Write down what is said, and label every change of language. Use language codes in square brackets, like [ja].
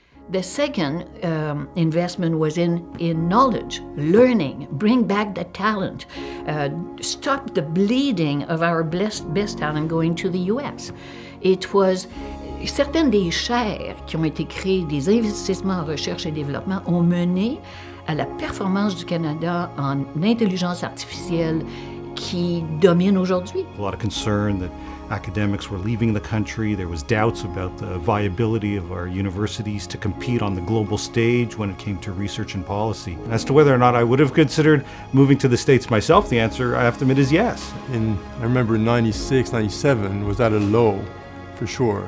[en] The second investment was in knowledge, learning, bring back the talent, stop the bleeding of our best talent going to the US. It was, [fr] certaines des chaires qui ont été créées, des investissements en recherche et développement, ont mené à la performance du Canada en intelligence artificielle qui domine aujourd'hui. [en] A lot of concern that academics were leaving the country. There was doubts about the viability of our universities to compete on the global stage when it came to research and policy. As to whether or not I would have considered moving to the States myself, the answer, I have to admit, is yes. And I remember in 96, 97, was at a low, for sure.